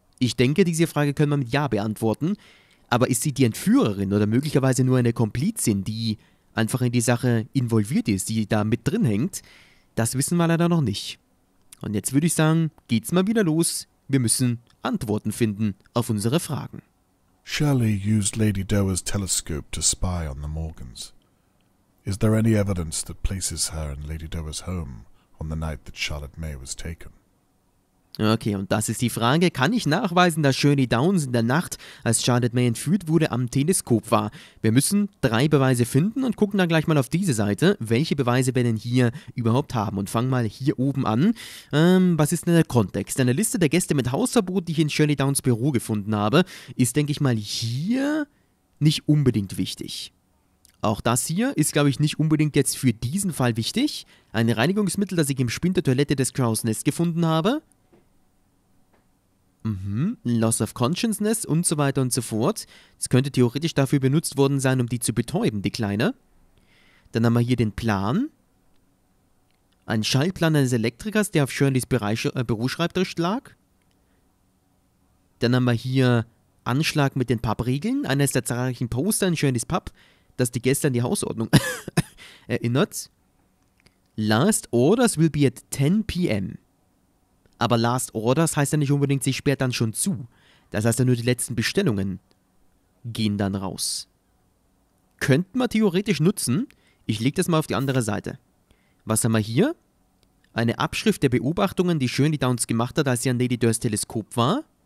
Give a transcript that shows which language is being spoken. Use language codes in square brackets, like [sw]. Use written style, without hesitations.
[de] Ich denke, diese Frage können wir mit Ja beantworten. Aber ist sie die Entführerin oder möglicherweise nur eine Komplizin, die einfach in die Sache involviert ist, die da mit drin hängt? Das wissen wir leider noch nicht. Und jetzt würde ich sagen, geht's mal wieder los. Wir müssen Antworten finden auf unsere Fragen. [en] Shirley used Lady Doe's telescope to spy on the Morgans. Is there any evidence that places her in Lady Doe's home on the night that Charlotte May was taken? [de] Okay, und das ist die Frage, kann ich nachweisen, dass Shirley Downs in der Nacht, als Charlotte May entführt wurde, am Teleskop war? Wir müssen drei Beweise finden und gucken dann gleich mal auf diese Seite, welche Beweise wir denn hier überhaupt haben. Und fangen mal hier oben an. Was ist denn der Kontext? Eine Liste der Gäste mit Hausverbot, die ich in Shirley Downs Büro gefunden habe, ist, denke ich mal, hier nicht unbedingt wichtig. Auch das hier ist, glaube ich, nicht unbedingt jetzt für diesen Fall wichtig. Ein Reinigungsmittel, das ich im Spind der Toilette des Crow's Nest gefunden habe. [en] Loss of Consciousness [de] und so weiter und so fort. Es könnte theoretisch dafür benutzt worden sein, um die zu betäuben, die Kleine. Dann haben wir hier den Plan. Ein Schaltplan eines Elektrikers, der auf Shirleys Büroschreibtisch lag. Dann haben wir hier Anschlag mit den Pappriegeln. Eines der zahlreichen Poster in Shirleys Pub, das die Gäste an die Hausordnung erinnert. [en] Last orders will be at 10 p.m. [de] Aber Last Orders heißt ja nicht unbedingt, sie sperrt dann schon zu. Das heißt ja nur, die letzten Bestellungen gehen dann raus. Könnten wir theoretisch nutzen. Ich lege das mal auf die andere Seite. Was haben wir hier? Eine Abschrift der Beobachtungen, die Shirley Downs gemacht hat, als sie an Lady Durrs Teleskop war?